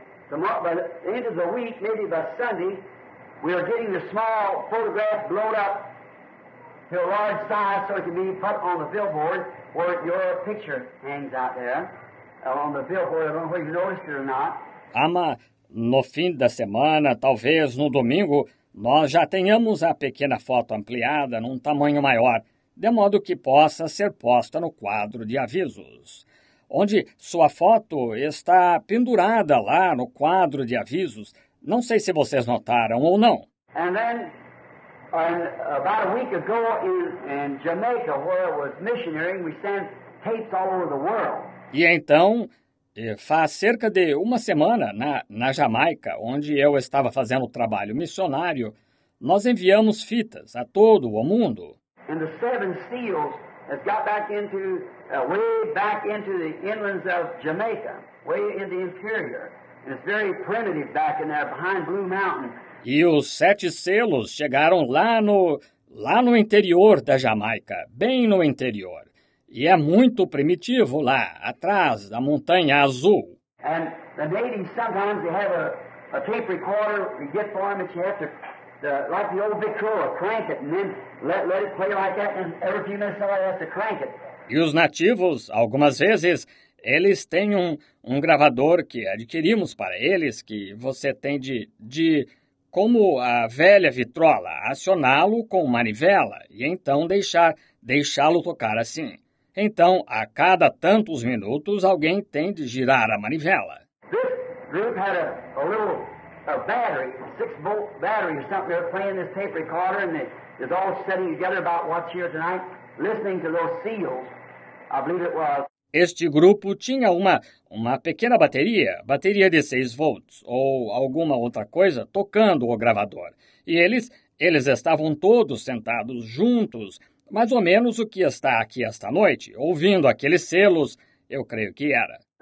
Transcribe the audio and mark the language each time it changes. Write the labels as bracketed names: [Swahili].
[English] By the end of the week, maybe by Sunday, we are getting the small photograph blown up to a large size so it can be put on the billboard where your picture hangs out there on the billboard. I don't know if you noticed it or not. [Portuguese] No fim da semana, talvez no domingo, nós já tenhamos a pequena foto ampliada num tamanho maior, de modo que possa ser posta no quadro de avisos. Onde sua foto está pendurada lá no quadro de avisos, não sei se vocês notaram ou não. [English] And then, about a week ago in Jamaica, where I was missionary, we sent tapes all over the world. [Portuguese] E então, faz cerca de uma semana, na Jamaica, onde eu estava fazendo trabalho missionário, nós enviamos fitas a todo o mundo. [English] And the seven seals has got back into, way back into the inlands of Jamaica, way in the interior. And it's very primitive back in there behind Blue Mountain. [Portuguese] E os sete selos chegaram lá no interior da Jamaica, bem no interior. E é muito primitivo lá, atrás da Montanha Azul. [English] And the natives sometimes they have a tape recorder you get for them, and you have to, like the old Victrola, crank it, and then let it play like that, and every few minutes somebody has to crank it. [Portuguese] E os nativos, algumas vezes, eles têm um gravador que adquirimos para eles, que você tem de como a velha vitrola, acioná-lo com manivela, e então deixá-lo tocar assim. Então, a cada tantos minutos, alguém tem de girar a manivela. [English] This group had a battery, a 6-volt battery or something. They're playing this tape recorder, and they're all sitting together about what's here tonight, listening to those seals, I believe it was. [Portuguese] Este grupo tinha uma pequena bateria, bateria de 6 volts ou alguma outra coisa, tocando o gravador. E eles estavam todos sentados juntos, mais ou menos o que está aqui esta noite, ouvindo aqueles selos, eu creio que era.